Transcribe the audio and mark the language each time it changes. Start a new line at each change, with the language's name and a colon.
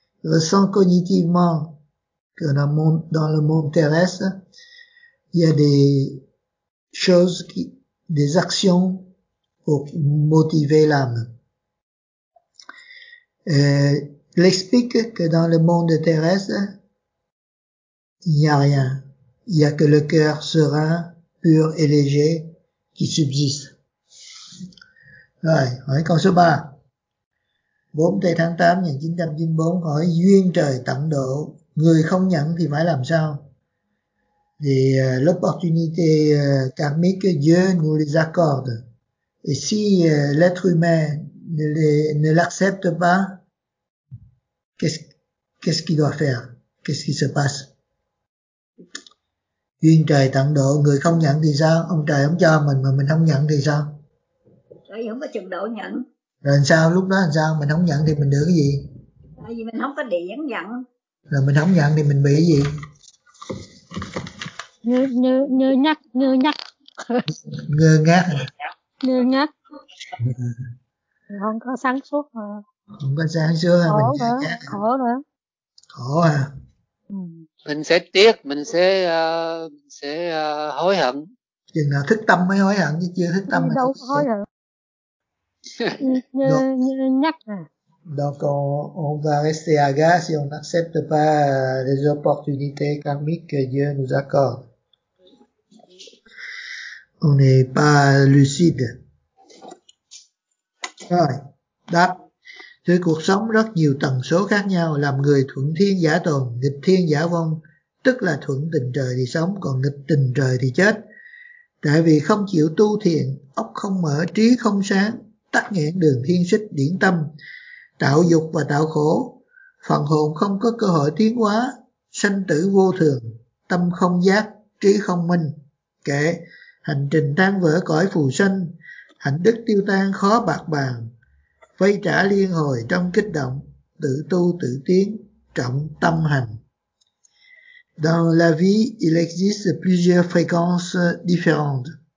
French: Ils ressentent cognitivement que dans le monde terrestre, il y a des choses qui, des actions pour motiver l'âme. Il explique que dans le monde terrestre, il n'y a rien. Il n'y a que le cœur serein, pur et léger qui subsiste.
Vietnamese: Rồi, hỏi câu số 3. 4 tháng 8, 1994, hỏi duyên trời tận độ. Người không nhận thì phải làm sao?
French: Et l'opportunité karmique, Dieu nous les accorde. Et si l'être humain ne l'accepte pas, qu'est-ce qu'il doit faire? Qu'est-ce qui se passe?
Vietnamese: Duyên trời tận độ, người không nhận thì sao? Ông trời không cho mình mà mình không nhận thì sao? Tại vì không có trình độ nhận. Rồi sao? Lúc đó làm sao? Mình không nhận thì mình được cái gì? Tại vì mình không có điển nhận. Rồi mình không nhận thì mình bị cái gì? Ngơ ngác. Ngơ ngác. Ngơ ngác. Không có sáng suốt mà. Không có sáng suốt mà. Khổ nữa. Khổ à. Mình sẽ tiếc, mình sẽ hối hận. Chừng nào thức tâm mới hối hận chứ chưa thức tâm. Đâu có hối hận. Ngơ ngác.
French: Donc on va rester agace si on n'accepte pas les opportunités karmiques que Dieu nous accorde. On n'est pas lucide.
Vietnamese: Rồi, đáp. Thì cuộc sống rất nhiều tần số khác nhau, làm người thuận thiên giả tồn, nghịch thiên giả vong, tức là thuận tình trời thì sống, còn nghịch tình trời thì chết. Tại vì không chịu tu thiền, óc không mở, trí không sáng, tắc nghẽn đường thiên xích điển tâm, tạo dục và tạo khổ, phần hồn không có cơ hội tiến hóa, sanh tử vô thường, tâm không giác, trí không minh. Kể, hành trình tan vỡ cõi phù sanh, hạnh đức tiêu tan khó bạc bàng, vây trả liên hồi trong kích động, tự tu tự tiến, trọng tâm hành.
French: Dans la vie, il existe plusieurs fréquences différentes.